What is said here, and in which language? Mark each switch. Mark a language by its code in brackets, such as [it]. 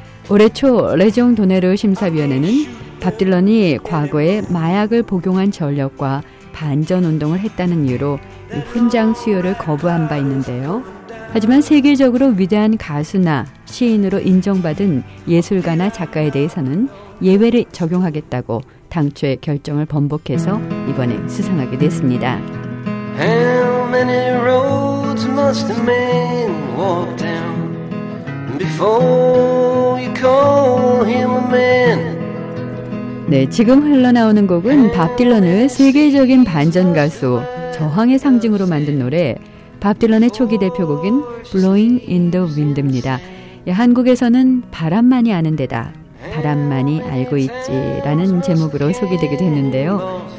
[ko] 올해 초 레종 도네르 심사위원회는 밥 딜런이 과거에 마약을 복용한 전력과 반전운동을 했다는 이유로 훈장 수여를 거부한 바 있는데요. 하지만 세계적으로 위대한 가수나 시인으로 인정받은 예술가나 작가에 대해서는 예외를 적용하겠다고 당초의 결정을 번복해서 이번에 수상하게 됐습니다. [en] How many roads must a man walk down before you call him a man? [ko] 네, 지금 흘러나오는 곡은 밥 딜런을 세계적인 반전 가수, 저항의 상징으로 만든 노래, 밥 딜런의 초기 대표곡인 Blowing in the Wind입니다. 예, 한국에서는 바람만이 아는 데다, 바람만이 알고 있지 라는 제목으로 소개되기도 했는데요.